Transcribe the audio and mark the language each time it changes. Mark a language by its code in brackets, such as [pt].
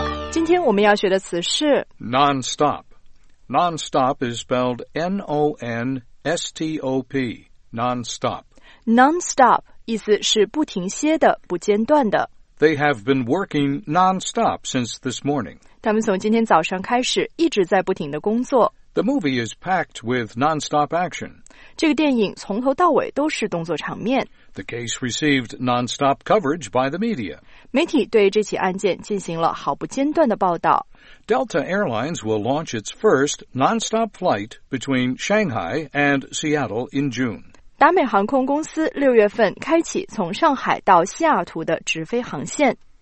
[zh] 今天我们要学的词是 [en] Non-stop. Non-stop is spelled N-O-N-S-T-O-P. Non-stop. [zh] Non-stop, 意思是不停歇的、不间断的。 [en] They have been working non-stop since this morning. [zh] 他们从今天早上开始一直在不停的工作。 [en] The movie is packed with non-stop action. [zh] 这个电影从头到尾都是动作场面。 [en] The case received non-stop coverage by the media. [zh] 媒体对这起案件进行了毫不间断的报道。 [en] Delta Airlines will launch its first non-stop flight between Shanghai and Seattle in June. [zh] 达美航空公司六月份开启从上海到西雅图的直飞航线。